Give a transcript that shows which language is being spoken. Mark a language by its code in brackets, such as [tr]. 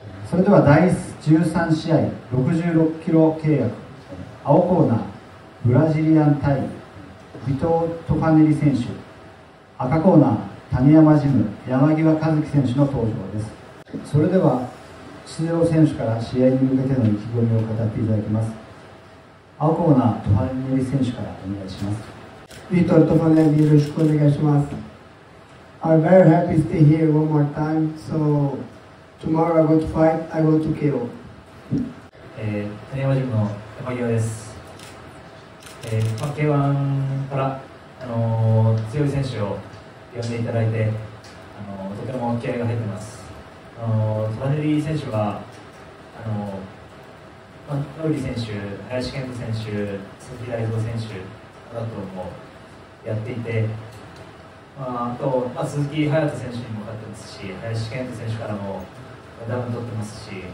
[ja] それでは第13試合66キロ契約青コーナーブラジリアン対ビトートファネリ選手、赤コーナー谷山ジム山際和樹選手の登場です。それでは出場選手から試合に向けての意気込みを語っていただきます。青コーナートファネリ選手からお願いします。ビトートファネリ、よろしくお願いします。 [en] I'm very happy to stay here one more time, soTomorrow I'm going to fight, I'm going to KO. [ja] 谷山ジムの山際です。 K1 から、強い選手を呼んでいただいて、とても気合が入っています。トバネリ選手は、ノーリー選手、林健太選手、鈴木大蔵選手などともやっていて、あと鈴木隼人選手にも勝ってますし、林健太選手からもダウン取ってますし、